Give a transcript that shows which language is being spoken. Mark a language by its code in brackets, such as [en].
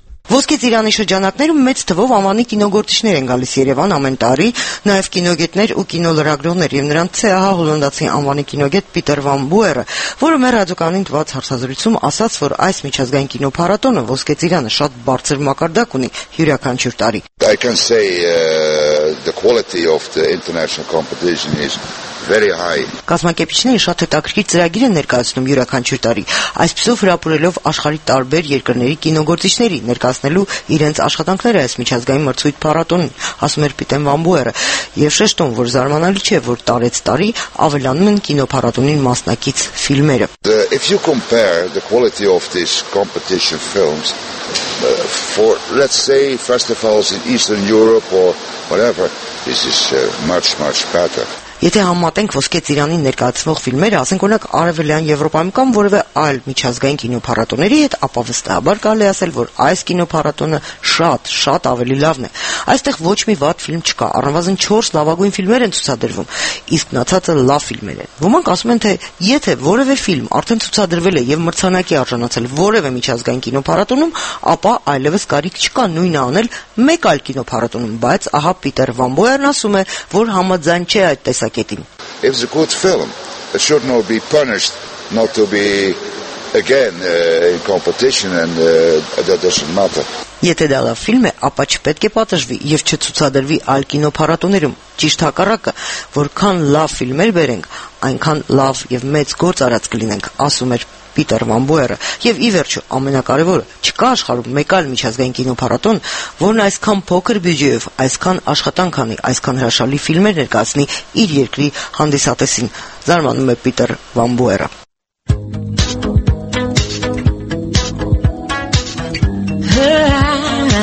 [hy] Ոսկե ծիրանի շրջանակներում մեծ թվով անվանի կինոգործիչներ են գալիս Երևան ամեն տարի, նաև կինոգետներ ու կինոլրագրողներ, և նրանց է ահա հոլանդացի անվանի կինոգետ Պիտեր վան Բուերը, որը մեր ռադիոկանին թված հարցազրույցում ասաց, որ այս միջազգային կինոփառատոնը Ոսկե ծիրանը շատ բարձր մակարդակ ունի յուրաքանչյուր տարի։ [en] I can say the quality of the international competition is very high. [hy] Կազմակերպիչները շատ հետաքրքիր ծրագիր են ներկայացնում յուրաքանչյուր տարի, այսպիսով հրապուրելով աշխարհի տարբեր երկրների կինոգործիչների ներկայացնելու իրենց աշխատանքները այս միջազգային մրցույթ փառատոնին, ասում էր Պիտեր վան Բուերը, և շեշտում, որ զարմանալի չէ, որ տարեց տարի ավելանում են կինոփառատոնին մասնակից ֆիլմերը։ [en] If you compare the quality of these competition films for, let's say, festivals in Eastern Europe or whatever, this is much better. [hy] Եթե համատենք Ոսկե ծիրանի ներկայացվող ֆիլմերը, ասենք օրինակ արևելյան Եվրոպայում կամ որևէ այլ միջազգային կինոփառատոների հետ, ապա վստահաբար կարելի ասել, որ այս կինոփառատոնը շատ ավելի լավն է։ Այստեղ ոչ մի վատ ֆիլմ չկա, առնվազն 4 լավագույն ֆիլմեր են ցուցադրվում, իսկ մնացածը լավ ֆիլմեր են։ Ոմանք ասում են, թե եթե որևէ ֆիլմ արդեն ցուցադրվել է եւ մրցանակի արժանացել որևէ միջազգային կինոփառատոնում, ապա այլևս կարիք չկա նույնն անել մեկ այլ կինոփառատոնում, բայց ահա Պիտեր վան Բուերն ասում է, որ համաձայն չէ այդ Saketin. [en] If it's a good film, it should not be punished not to be again in competition, and that doesn't matter. [hy] Եթե դա լավ ֆիլմ է, ապա չպետք է պատժվի եւ չցուցադրվի այլ կինոփառատոներում։ Ճիշտ հակառակը, որքան լավ ֆիլմեր բերենք, այնքան լավ եւ մեծ գործ արած կլինենք, ասում էր Պիտեր վան Բուերը, եւ ի վերջո ամենակարևորը, չկա աշխարհում մեկ այլ միջազգային կինոփառատոն, որն այսքան փոքր բյուջեով, այսքան աշխատանք անի, այսքան հրաշալի ֆիլմեր ներկայացնի իր երկրի